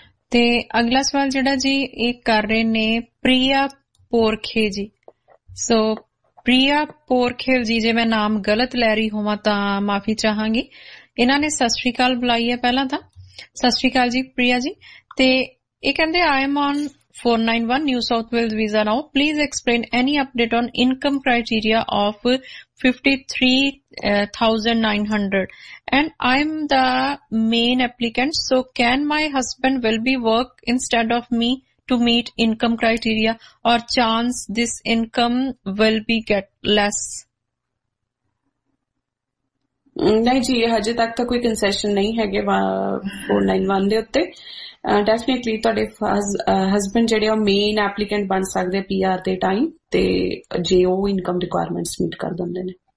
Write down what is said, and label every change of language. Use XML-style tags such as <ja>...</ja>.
<pa>ਤੇ ਅਗਲਾ ਸਵਾਲ ਜਿਹੜਾ ਜੀ ਇਹ ਕਰ ਰਹੇ ਨੇ ਪ੍ਰਿਆ ਪੋਰਖੇ ਜੀ, ਸੋ ਪ੍ਰਿਆ ਪੋਰਖੇ ਜੀ ਜੇ ਮੈਂ ਨਾਮ ਗਲਤ ਲੈ ਰਹੀ ਹੋਵਾਂ ਤਾਂ ਮਾਫੀ ਚਾਹਾਂਗੀ। ਇਹਨਾਂ ਨੇ ਸਤਿ ਸ੍ਰੀ ਅਕਾਲ ਬੁਲਾਈ ਹੈ ਪਹਿਲਾਂ ਤਾਂ, ਸਤਿ ਸ੍ਰੀ ਅਕਾਲ ਜੀ ਪ੍ਰਿਆ ਜੀ। ਤੇ ਇਹ ਕਹਿੰਦੇ</pa> <en>I am on 491 New South Wales visa now. Please explain any update on income criteria of 53,900. And I'm the main applicant, so can my husband will be work instead of me to meet income criteria, or chance this income will be get less?</en> <pa>ਨਹੀਂ ਜੀ, ਹਜੇ ਤੱਕ ਤਾਂ ਕੋਈ concession ਨਹੀਂ ਹੈਗੇ 491 ਦੇ ਉੱਤੇ। ਡੈਫੀਨੇਟਲੀ ਤੁਹਾਡੇ ਹਸਬੈਂਡ ਜਿਹੜੇ ਆ ਮੇਨ ਐਪਲੀਕੈਂਟ ਬਣ ਸਕਦੇ ਪੀ ਆਰ ਦੇ ਟਾਈਮ, ਤੇ ਜੇ ਉਹ ਇਨਕਮ ਰਿਕੁਆਇਰਮੈਂਟਸ ਮੀਟ ਕਰ ਦਿੰਦੇ ਨੇ</pa>